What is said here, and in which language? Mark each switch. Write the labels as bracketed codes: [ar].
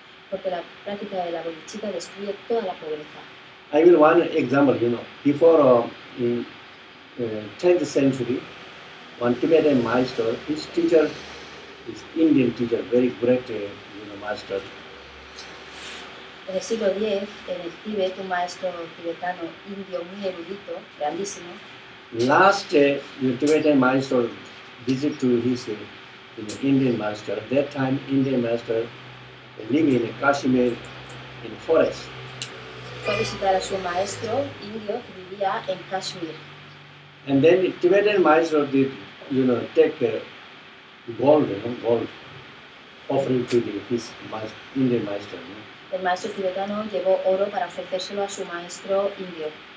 [es] Porque la práctica de la bodhicitta destruye toda la pobreza. [en] I will one example, before in 10th century, one Tibetan master, his teacher, his Indian teacher, very great, master. [es] En el siglo X, en el Tíbet, un maestro tibetano indio muy erudito, grandísimo. [en] Last, the Tibetan maestro visit to his Indian master. That time, Indian master live in Kashmir, in forest. [es] Fue a visitar a su maestro indio que vivía en Kashmir. [en] And then the Tibetan maestro did, take gold, gold offering to his Indian master. [es] El maestro tibetano llevó oro para ofrecérselo a su maestro indio.